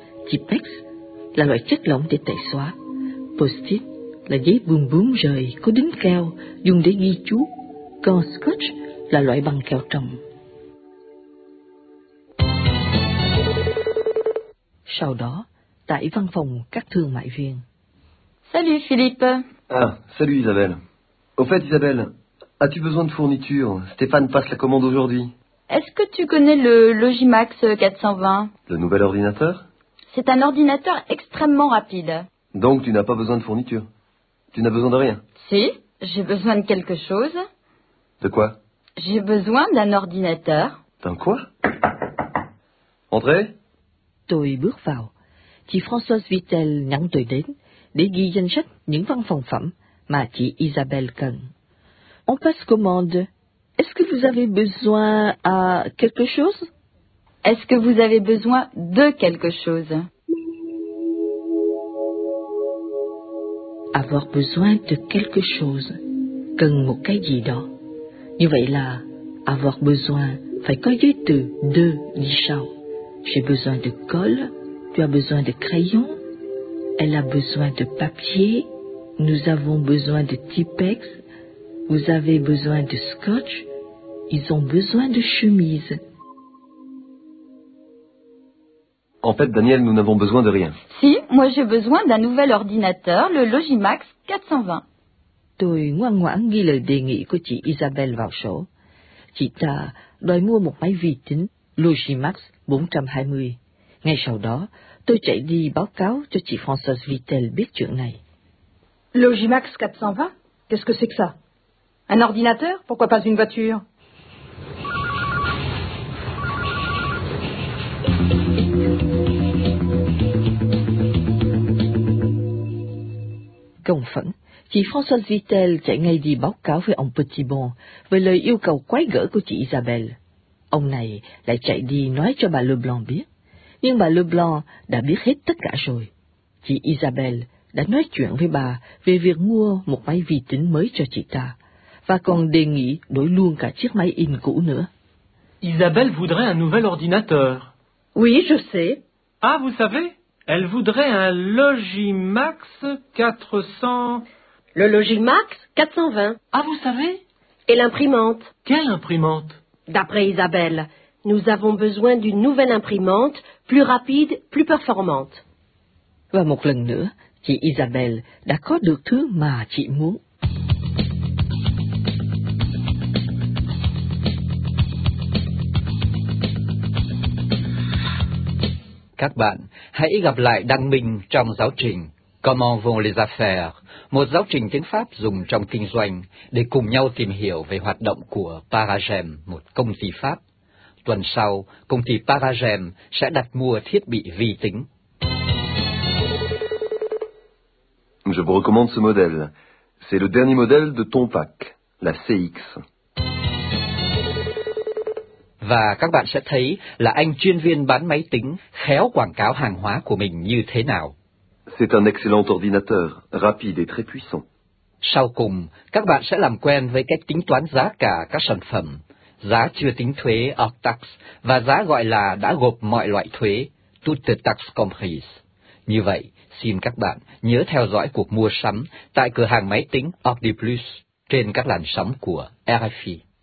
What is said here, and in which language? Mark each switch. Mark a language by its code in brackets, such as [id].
[vi] Tipex là loại chất lỏng để tẩy xóa. Post-it là giấy bươm bướm rời có đính keo dùng để ghi chú. Còn scotch là loại bằng keo trồng. Sau đó, tại văn phòng các thương mại viên. [fr] Salut Philippe. Ah, salut Isabelle. Au fait Isabelle, as-tu besoin de fourniture? Stéphane passe la commande aujourd'hui. Est-ce que tu connais le Logimax 420? Le nouvel ordinateur? C'est un ordinateur extrêmement rapide. Donc tu n'as pas besoin de fourniture? Tu n'as besoin de rien? Si, j'ai besoin de quelque chose. De quoi? J'ai besoin d'un ordinateur. D'un quoi? Entrez. [vi] Tôi bước vào. Chị Françoise Vittel nhắn tôi đến để ghi danh sách những văn phòng phẩm mà chị Isabelle cần. [fr] On passe commande. Est-ce que vous avez besoin à quelque chose? Est-ce que vous avez besoin de quelque chose? Avoir besoin de quelque chose. [vi] Cần một cái gì đó. Như vậy là, [fr] avoir besoin, [vi] phải có giới từ de đi sau. [fr] J'ai besoin de colle. Tu as besoin de crayon. Elle a besoin de papier. Nous avons besoin de Tipex. Vous avez besoin de scotch. Ils ont besoin de chemise. En fait, Daniel, nous n'avons besoin de rien. Si, moi j'ai besoin d'un nouvel ordinateur, le Logimax 420. [vi] Tôi ngoan ngoãn ghi lời đề nghị của chị Isabelle vào sổ. Chị ta đòi mua một máy vi tính Logimax 420. Ngay sau đó, tôi chạy đi báo cáo cho chị Françoise Vittel biết chuyện này. [fr] Logimax 420? Qu'est-ce que c'est que ça? Un ordinateur? Pourquoi pas une voiture? [vi] Công phẫn, chị Françoise Vittel chạy ngay đi báo cáo với ông Petitbon về lời yêu cầu quái gở của chị Isabelle. Ông này lại chạy đi nói cho bà Leblanc biết. Nhưng bà Leblanc đã biết hết tất cả rồi. Chị Isabelle đã nói chuyện với bà về việc mua một máy vi tính mới cho chị ta, và còn đề nghị đổi luôn cả chiếc máy in cũ nữa. [fr] Isabelle voudrait un nouvel ordinateur. Oui, je sais. Ah, vous savez, elle voudrait un Logimax 400... Le Logimax 420. Ah, vous savez. Et l'imprimante. Quelle imprimante? D'après Isabelle, nous avons besoin d'une nouvelle imprimante, plus rapide, plus performante. [vi] Và một lần nữa, chị Isabelle đã có được thứ mà chị muốn. Các bạn, hãy gặp lại Đăng Minh trong giáo trình Comment vont les affaires, một giáo trình tiếng Pháp dùng trong kinh doanh để cùng nhau tìm hiểu về hoạt động của Paragem, một công ty Pháp. Tuần sau, công ty Paragem sẽ đặt mua thiết bị vi tính. [fr] Je vous recommande ce modèle. C'est le dernier modèle de Tompac, la CX. [vi] Và các bạn sẽ thấy là anh chuyên viên bán máy tính khéo quảng cáo hàng hóa của mình như thế nào. [fr] C'est un excellent ordinateur, rapide et très puissant. [vi] Sau cùng, các bạn sẽ làm quen với cách tính toán giá cả các sản phẩm, giá chưa tính thuế hoặc tax và giá gọi là đã gộp mọi loại thuế, [fr] toute taxe comprise. [vi] Như vậy, xin các bạn nhớ theo dõi cuộc mua sắm tại cửa hàng máy tính Audi Plus trên các làn sóng của RFI.